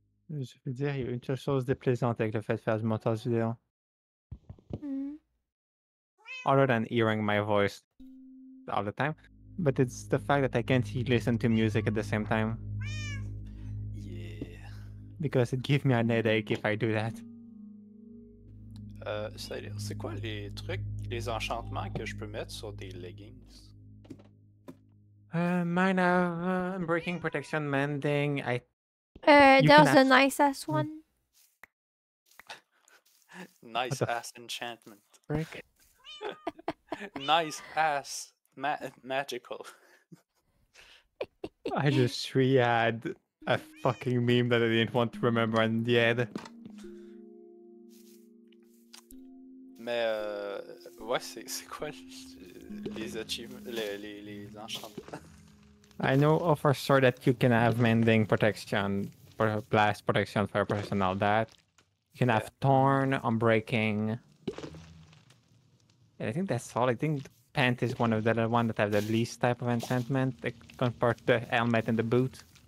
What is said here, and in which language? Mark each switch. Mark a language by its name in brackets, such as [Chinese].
[French] Je veux dire, il y a une chose déplaisante avec le fait de faire du montage vidéo. [English] other than hearing my voice all the time, but it's the fact that I can't listen to music at the same time. Yeah. Because it gives me a headache if I do that. [French] C'est quoi les trucs, les enchantements que je peux mettre sur des leggings? [English] Mine have breaking protection, mending. There's a nice ass one. Nice ass enchantment. Nice ass magical. I just re-add a fucking meme that I didn't want to remember in the end. [French] Mais ouais, c'est quoi les achievements, les enchantements? [English] I know of a sort that you can have mending protection, blast protection, fire protection, all that. You can have thorn, unbreaking. And I think that's all. I think pant is one of the one that have the least type of enchantment compared to the helmet and the boot.